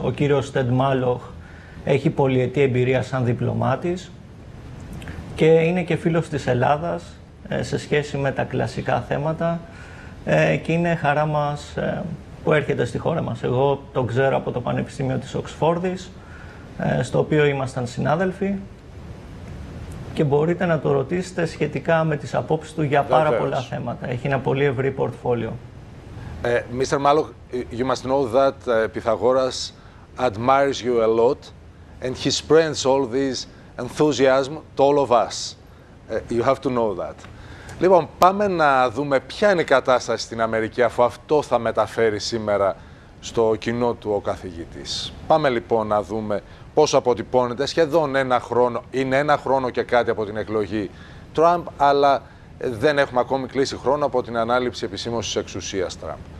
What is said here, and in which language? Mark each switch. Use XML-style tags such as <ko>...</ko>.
<el>Ο κύριος Τεντ Μάλοχ έχει πολυετή εμπειρία σαν διπλωμάτης και είναι και φίλος της Ελλάδας, σε σχέση με τα κλασικά θέματα και είναι χαρά μας που έρχεται στη χώρα μας. Εγώ το ξέρω από το Πανεπιστήμιο της Οξφόρδης, στο οποίο ήμασταν συνάδελφοι και μπορείτε να το ρωτήσετε σχετικά με τις απόψεις του για πάρα πολλά θέματα. Έχει ένα πολύ ευρύ πορτφόλιο.</el> <en>Mr. Maloch, you must know that Pythagoras admires you a lot and he spreads all this enthusiasm to all of us. You have to know that.</en> <el>Λοιπόν, πάμε να δούμε ποια είναι η κατάσταση στην Αμερική, αφού αυτό θα μεταφέρει σήμερα στο κοινό του ο καθηγητής. Πάμε λοιπόν να δούμε πώς αποτυπώνεται σχεδόν ένα χρόνο, είναι ένα χρόνο και κάτι από την εκλογή Τραμπ, αλλά δεν έχουμε ακόμη κλείσει χρόνο από την ανάληψη επισήμως της εξουσίας Τραμπ.</el>